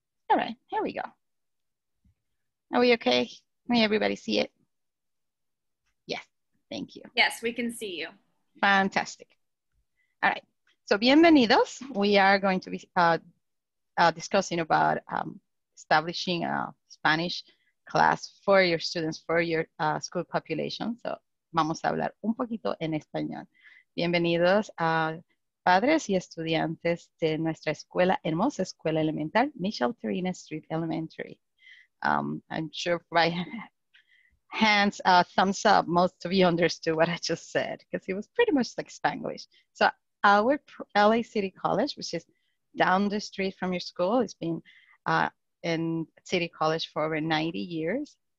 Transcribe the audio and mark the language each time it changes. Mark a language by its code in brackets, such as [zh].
[en] All right, here we go. Are we okay? Can everybody see it? Yes, thank you. Yes, we can see you. Fantastic. All right, so bienvenidos. We are going to be discussing about establishing a Spanish class for your students, for your school population. [es] So vamos a hablar un poquito en español. Bienvenidos a padres y estudiantes de nuestra escuela, hermosa escuela elemental, Micheltorena Street Elementary. [en] I'm sure by hands, thumbs up, most of you understood what I just said, because it was pretty much like Spanglish. So our LA City College, which is down the street from your school, has been in City College for over 90 years.